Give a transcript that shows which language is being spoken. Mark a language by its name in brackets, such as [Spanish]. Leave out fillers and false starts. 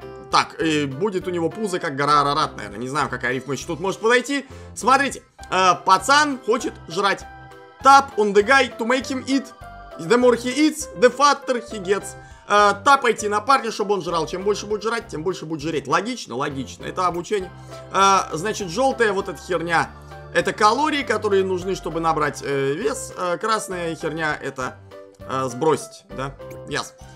[Russian] Так, и будет у него пузо, как гора Арарат, наверное. Не знаю, какая рифма еще тут может подойти. Смотрите, пацан хочет жрать. [English] Tap on the guy to make him eat. The more he eats, the fatter he gets. [Russian] Тапайте на парня, чтобы он жрал. Чем больше будет жрать, тем больше будет жреть. Логично, логично. Это обучение. Значит, желтая вот эта херня — это калории, которые нужны, чтобы набрать вес. Красная херня — это сбросить, да? [English] Yes.